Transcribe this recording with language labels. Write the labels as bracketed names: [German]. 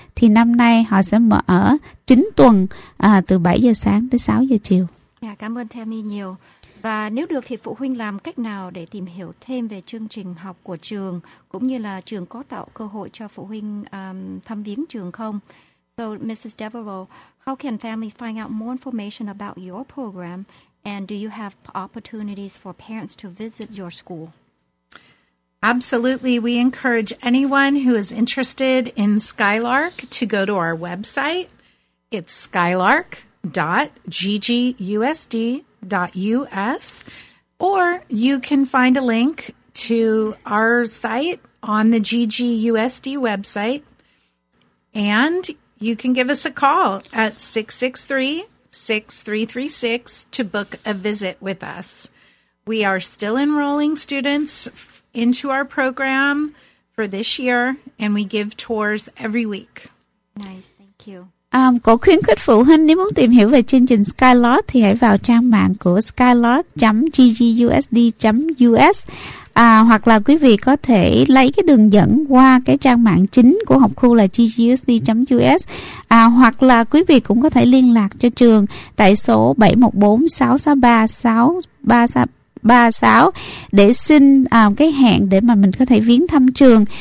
[Vietnamese] Thì năm nay họ sẽ mở 9 tuần từ 7 giờ sáng đến 6 giờ chiều. Cảm ơn Tammy nhiều. Và nếu được thì phụ huynh làm cách nào để tìm hiểu thêm về chương trình học của trường, cũng như là trường có tạo cơ hội cho phụ huynh thăm viếng trường không? [English] So, Mrs. Devereaux, how can families find out more information about your program, and do you have opportunities for parents to visit your school? Absolutely. We encourage anyone who is interested in Skylark to go to our website. It's skylark.ggusd.us, or you can find a link to our site on the GGUSD website, and you can give us a call at 663-6336 to book a visit with us. We are still enrolling students into our program for this year, and we give tours every week. Nice. Thank you. [Vietnamese] Cô khuyến khích phụ huynh nếu muốn tìm hiểu về chương trình Skylark thì hãy vào trang mạng của skylark.ggusd.us hoặc là quý vị có thể lấy cái đường dẫn qua cái trang mạng chính của học khu là ggusd.us hoặc là quý vị cũng có thể liên lạc cho trường tại số 714-663-6336 để xin cái hẹn để mà mình có thể viếng thăm trường.